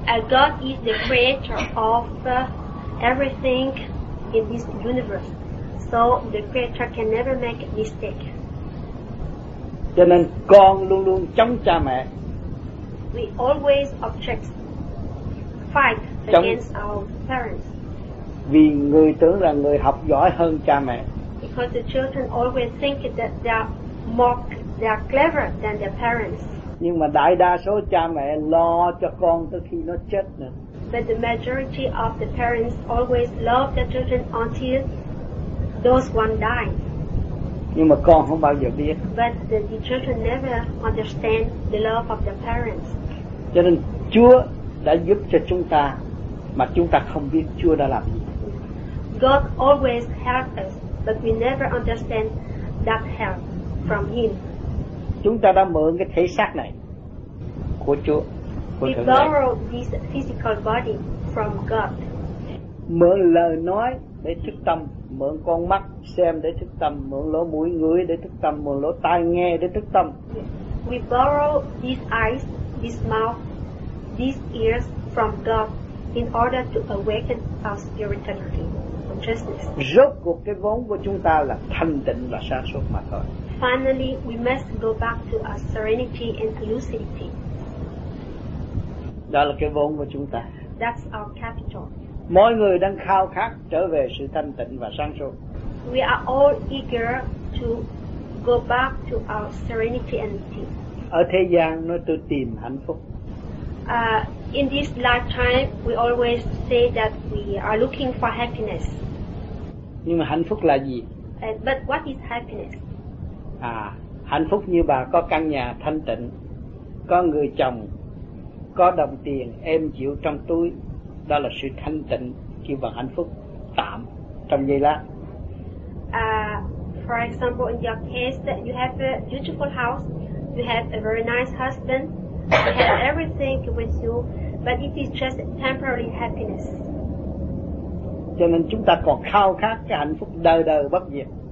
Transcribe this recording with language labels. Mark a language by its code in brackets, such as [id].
[en] God is the creator of everything in this universe, so the creator can never make a mistake. [vi] Cho nên con luôn luôn chống cha mẹ. [en] We always object, fight chống against our parents. [vi] Vì người tưởng là người học giỏi hơn cha mẹ. [en] Because the children always think that they are clever than their parents. [vi] Nhưng mà đại đa số cha mẹ lo cho con tới khi nó chết nữa. [en] But the majority of the parents always love their children until those one die. [vi] Nhưng mà con không bao giờ biết. [en] But the children never understand the love of their parents. [vi] Cho nên Chúa đã giúp cho chúng ta mà chúng ta không biết Chúa đã làm gì. [en] God always helps us, but we never understand that help from Him. [vi] Chúng ta đã mượn cái thể xác này của Chúa, của [en] Thượng Đế. We borrow this physical body from God. [vi] Mượn lời nói để thức tâm, mượn con mắt xem để thức tâm, mượn lỗ mũi ngửi để thức tâm, mượn lỗ tai nghe để thức tâm. [en] We borrow these eyes, this mouth, these ears from God in order to awaken our spirituality. [vi] Rốt cuộc cái vốn của chúng ta là thanh tịnh và sáng suốt mà thôi. [en] Finally, we must go back to our serenity and lucidity. [vi] Đó là cái vốn của chúng ta. [en] That's our capital. [vi] Mọi người đang khao khát trở về sự thanh tịnh và sáng suốt. [en] We are all eager to go back to our serenity and peace. [vi] Ở thế gian nói tôi tìm hạnh phúc. [en] In this lifetime, we always say that we are looking for happiness. [vi] Nhưng mà hạnh phúc là gì? [en] But what is happiness? [vi] À, hạnh phúc như bà có căn nhà thanh tịnh, có người chồng, có đồng tiền êm dịu trong túi, đó là sự thanh tịnh kêu bằng hạnh phúc tạm trong giây lát. [en] For example, in your case, that you have a beautiful house, you have a very nice husband. You have everything with you, but it is just temporary happiness. [vi] Cho nên chúng ta còn khao khát cái hạnh phúc đời đời bất diệt.